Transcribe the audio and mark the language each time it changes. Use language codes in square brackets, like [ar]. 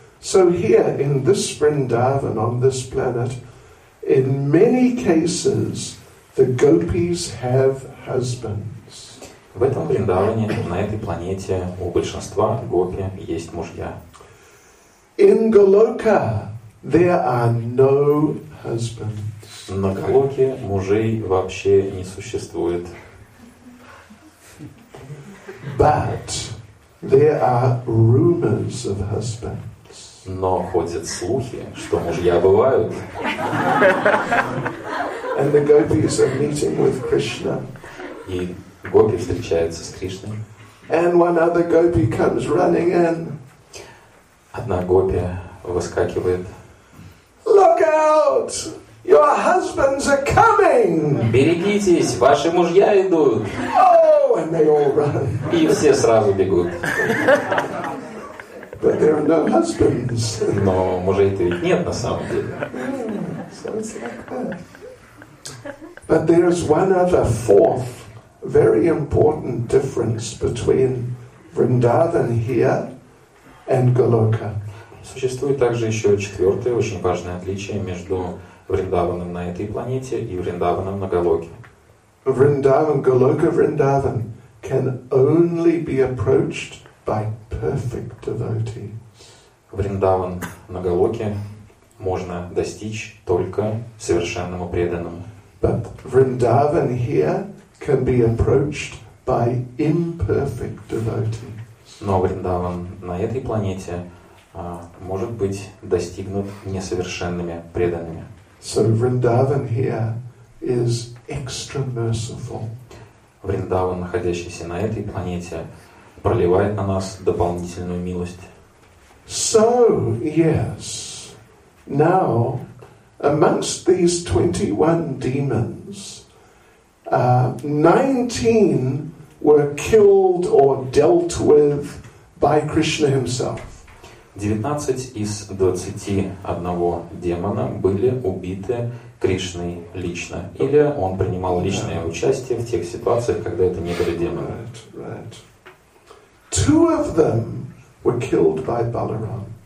[en] So here in this Vrindavan on this planet, in many cases the gopis have husbands. [ru] В этом Вриндаване, на этой планете, у большинства гопи есть мужья. [en] In Голока there are no husbands. [ru] На Голоке мужей вообще не существует. [en] But there are rumors of husbands. [ru] Но ходят слухи, что мужья бывают. [en] And the gopis are meeting with Krishna. [ru] И гопи встречаются с Кришной. [en] And one other gopi comes running in. [ru] Одна гопи выскакивает. [en] Look out! Your husbands are coming! [ru] Берегитесь, ваши мужья идут! [en] Oh, and they all run. [ru] И все сразу бегут. [en] But there are no husbands. [ru] Но мужей-то ведь нет на самом деле. [en] But there is one other fourth very important difference between Vrindavan here and Goloka. [ru] Существует также еще четвертое очень важное отличие между Вриндаваном на этой планете и Вриндаваном на Голоке. [en] Вриндаван, Голока, Вриндаван can only be approached by perfect devotees. [ru] Вриндаван на Голоке можно достичь только совершенному преданному. [en] But Vrindavan here can be approached by imperfect devotee. [ru] Но Вриндаван на этой планете может быть достигнут несовершенными преданными. [en] So Vrindavan here is extra merciful. [ru] Вриндаван, находящийся на этой планете, проливает на нас дополнительную милость. [en] So, yes. Now, amongst these 21 demons, 19 were killed or dealt with by Krishna himself. [ru] 19 из 21 демона были убиты Кришной лично, или он принимал личное участие в тех ситуациях, когда это не были демоны. [en] Right, right. Two of them were killed by Balaram.